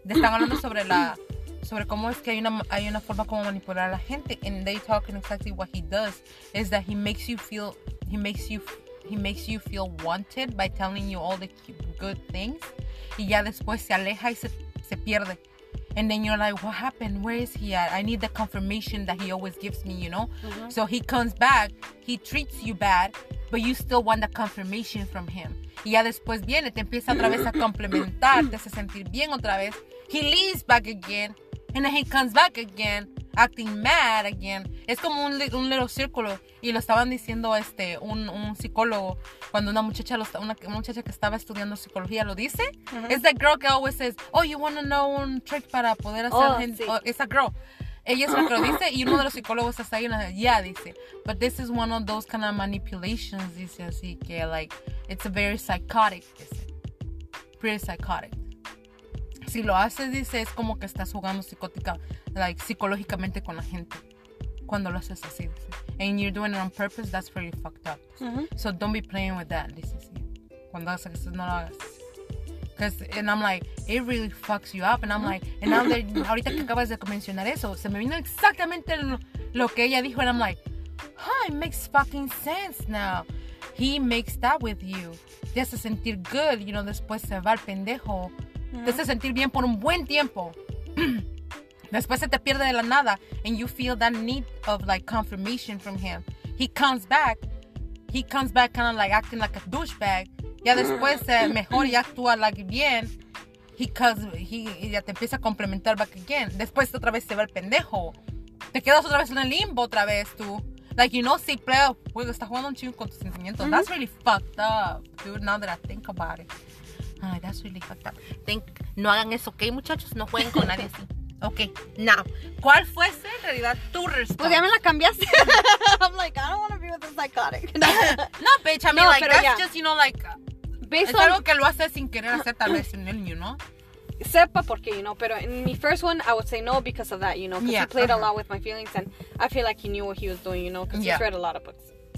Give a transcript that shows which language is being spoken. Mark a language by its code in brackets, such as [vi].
[es] Están hablando sobre cómo es que hay una forma como manipular a la gente, [en] and they talking exactly what he does, is that he makes you feel wanted by telling you all the good things, [es] y ya después se aleja y se pierde. [en] And then you're like, what happened? Where is he at? I need the confirmation that he always gives me, you know? Mm-hmm. So he comes back, he treats you bad, but you still want the confirmation from him. [es] Y ya después viene, te empieza otra vez a complementar, te hace sentir bien otra vez. [en] He leaves back again, and then he comes back again, acting mad again. [es] Es como un little círculo. Y lo estaban diciendo un psicólogo cuando una muchacha que estaba estudiando psicología lo dice. [en] Uh-huh. It's that girl que always says, oh, you want to know un trick [es] para poder hacer gente. [en] Sí. It's that girl. [es] Ella es la que lo dice y uno de los psicólogos está ahí y dice, yeah, dice. [en] But this is one of those kind of manipulations, [es] dice así, que [en] like, it's a very psychotic, dice. Pretty psychotic. [es] Si lo haces, dice, es como que estás jugando psicótica, like, psicológicamente con la gente. Cuando lo haces así, dice. [en] And you're doing it on purpose, that's really fucked up. Mm-hmm. So don't be playing with that, [es] dice así. Cuando haces eso, no lo hagas. [en] Cause, and I'm like, it really fucks you up. And I'm like, and now that, [es] ahorita que acabas de mencionar eso, se me vino exactamente lo que ella dijo. [en] And I'm like, huh, it makes fucking sense now. He makes that with you. [es] Te hace sentir [en] good, you know, [es] después se va el pendejo. Te hace sentir bien por un buen tiempo. Después se te pierde de la nada. [en] And you feel that need of like confirmation from him. He comes back. He comes back kind of like acting like a douchebag. [es] Ya después mejor ya actúa like bien. [en] He [es] ya te empieza a complementar [en] back again. [es] Después otra vez se va el pendejo. Te quedas otra vez en el limbo otra vez tú. Like, you know, si play, juego, está jugando un chingo con tus sentimientos. Mm-hmm. [en] That's really fucked up, dude, now that I think about it. Ay, that's really fucked up. [es] No hagan eso, ¿ok, muchachos? No jueguen con nadie así. Ok, now, ¿cuál fuese en realidad tu respuesta? Pues ya me la cambiaste. [en] I'm like, I don't want to be with a psychotic. No, bitch, I mean, no, like, that's yeah. Just, you know, like, [es] es algo que lo haces sin querer hacer tal vez en el, you know? Sepa por qué, [en] you know, pero in my first one, I would say no because of that, you know, because he played a lot with my feelings and I feel like he knew what he was doing, you know, because he's read a lot of books.